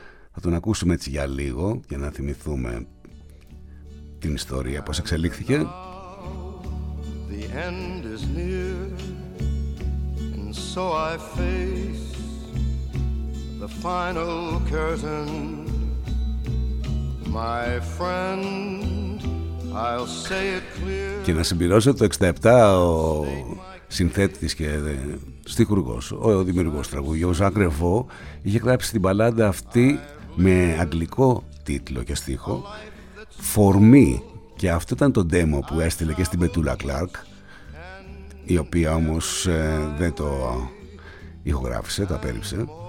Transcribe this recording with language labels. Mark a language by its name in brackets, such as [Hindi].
[Greek] Θα τον ακούσουμε έτσι για λίγο για να θυμηθούμε την ιστορία πώς εξελίχθηκε. [English] The end is near, and so I face the final curtain. My friend, I'll say it clear. [Greek] Και να συμπληρώσω, το 67 ο συνθέτης και στιχουργός, ο δημιουργός τραγουδιού, ο Ζακ Ρεβό, είχε γράψει την μπαλάντα αυτή με αγγλικό τίτλο και στίχο, For Me. Και αυτό ήταν το demo που έστειλε και στην Πετούλα Κλάρκ, η οποία όμως δεν το ηχογράφησε, το απέρριψε.